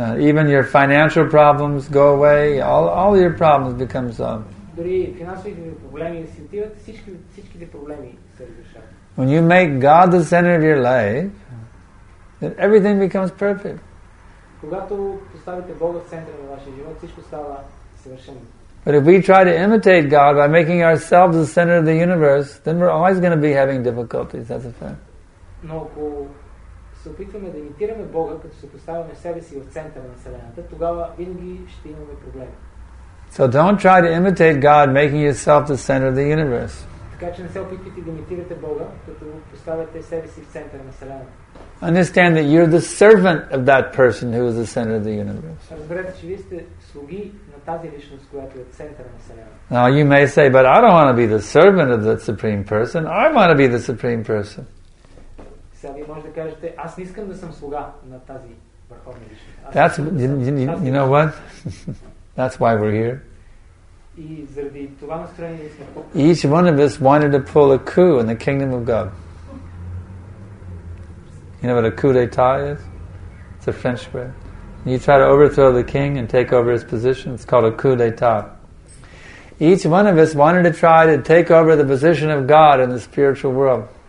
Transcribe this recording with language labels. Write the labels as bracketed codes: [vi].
[en] Even your financial problems go away. All your problems become solved. [bg] Дори финансовите ви проблеми си отиват. Всичките проблеми се решават. [en] When you make God the center of your life, then everything becomes perfect. [bg] Когато поставите Бога в центъра на вашия живот, всичко става съвършено. [en] But if we try to imitate God by making ourselves the center of the universe, then we're always going to be having difficulties, that's a fact. [bg] Но ако се опитваме да имитираме Бога, като се поставяме себе си в центъра на Вселената, тогава винаги ще имаме проблеми. [en] So don't try to imitate God making yourself the center of the universe. [bg] Така че не се опитвайте да имитирате Бога, като поставяте себе си в центъра на Вселената. [en] Understand that you're the servant of that person who is the center of the universe. [bg] Разберете, че вие сте слуги на тази личност, която е центъра на Вселената. [en] Now you may say, but I don't want to be the servant of that supreme person. I want to be the supreme person. [bg] Сега вие може да кажете, аз не искам да съм слуга на тази върховна личност. [en] You know what? That's why we're here. [bg] И заради това настроение сме тук. [en] Each one of us wanted to pull a coup in the kingdom of God. You know what a coup d'etat is? It's a French word. You try to overthrow the king and take over his position. It's called a coup d'etat. Each one of us wanted to try to take over the position of God in the spiritual world.